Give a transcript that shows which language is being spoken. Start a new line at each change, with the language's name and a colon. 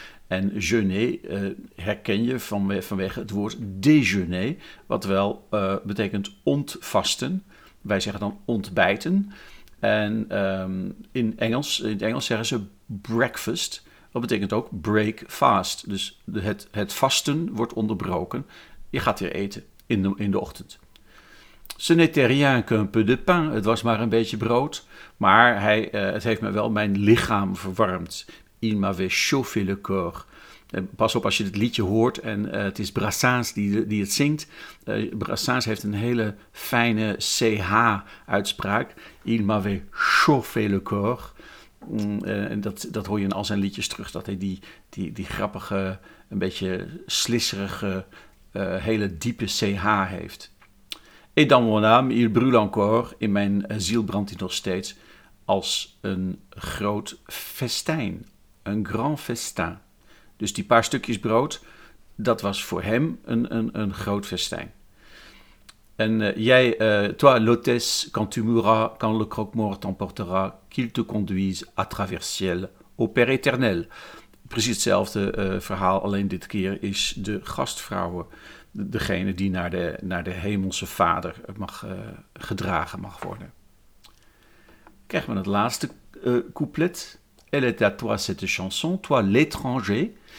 Dutch: En jeûner herken je vanwege het woord déjeuner, wat wel betekent ontvasten. Wij zeggen dan ontbijten. En in het Engels zeggen ze breakfast. Dat betekent ook break fast. Dus het vasten wordt onderbroken. Je gaat weer eten in de ochtend.
French: Ce n'était rien qu'un peu de pain.
Dutch: Het was maar een beetje brood. Maar het heeft me wel mijn lichaam verwarmd.
French: Il m'avait chauffé le corps.
Dutch: Pas op als je dit liedje hoort en het is Brassens die het zingt. Brassens heeft een hele fijne CH-uitspraak.
French: Il m'avait chauffé le corps.
Dutch: En dat hoor je in al zijn liedjes terug, dat hij die grappige, een beetje slisserige, hele diepe CH heeft.
French: Et dans mon âme, il brûle encore.
Dutch: In mijn ziel brandt hij nog steeds als een groot festijn. Een grand festin. Dus die paar stukjes brood, dat was voor hem een groot festijn. En jij,
French: toi l'hôtesse, quand tu mourras, quand le croque-mort t'emportera, qu'il te conduise à travers ciel, au père éternel.
Dutch: Precies hetzelfde verhaal, alleen dit keer is de gastvrouw degene die naar de hemelse vader mag gedragen mag worden. Krijgen we het laatste couplet.
French: Elle est à toi cette chanson, toi l'étranger.